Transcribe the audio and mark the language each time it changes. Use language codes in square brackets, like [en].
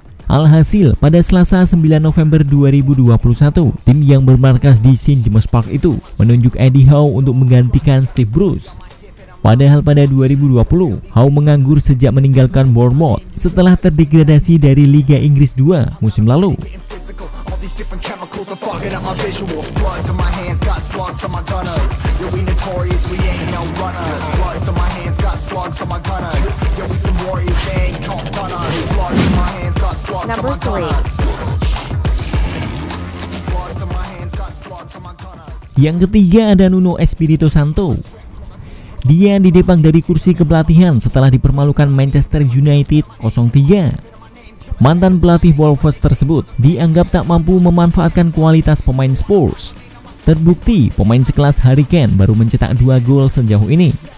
[id] Alhasil, pada Selasa 9 November 2021, tim yang bermarkas di St. James Park itu menunjuk Eddie Howe untuk menggantikan Steve Bruce. Padahal pada 2020, Howe menganggur sejak meninggalkan Bournemouth setelah terdegradasi dari Liga Inggris 2 musim lalu. [en] These different chemicals are fogging up my visuals. Bloods on my hands, got slugs on my gunners. Yo, we notorious, we ain't no runners. Bloods on my hands, got slugs on my gunners. Yo, we some warriors, they ain't called gunners. Bloods on my hands, got slugs on my gunners. Number 3. Bloods on my hands, got slugs on my gunners. [id] Yang ketiga ada Nuno Espirito Santo. Dia didepang dari kursi kepelatihan setelah dipermalukan Manchester United 0-3. Mantan pelatih Wolves tersebut dianggap tak mampu memanfaatkan kualitas pemain Spurs. Terbukti, pemain sekelas Harry Kane baru mencetak 2 gol sejauh ini.